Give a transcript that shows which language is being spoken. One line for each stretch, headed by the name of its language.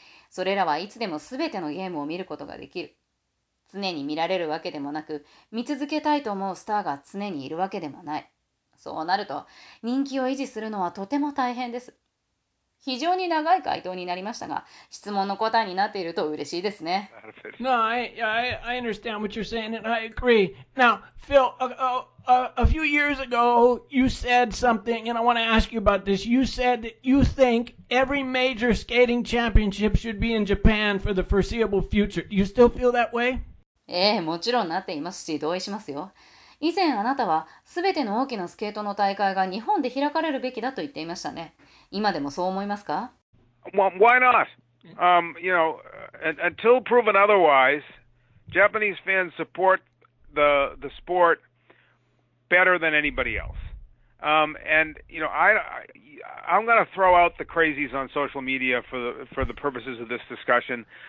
Japanese: それらはいつでも全てのゲームを見ることができる。常に見られるわけでもなく、見続けたいと思うスターが常にいるわけでもない。そうなると、人気を維持するのはとても大変です。非常に長い回答になりましたが、質問の答えになっていると嬉しいですね。
English: No, I understand what you're saying and I agree. Now, Phil, a few years ago, you said something and I want to ask you about this. You said that you think every major skating championship should be in Japan for the foreseeable future. Do you still feel that way?
Japanese: ええ、もちろんなっていますし、同意しますよ。以前あなたは、すべての大きなスケートの大会が日本で開かれるべきだと言っていましたね。今でもそう思いますか？
English: Well, why not? You know, until proven otherwise, Japanese fans support the sport better than anybody else. And, you know, I'm going to throw out the crazies on social media for the purposes of this discussion.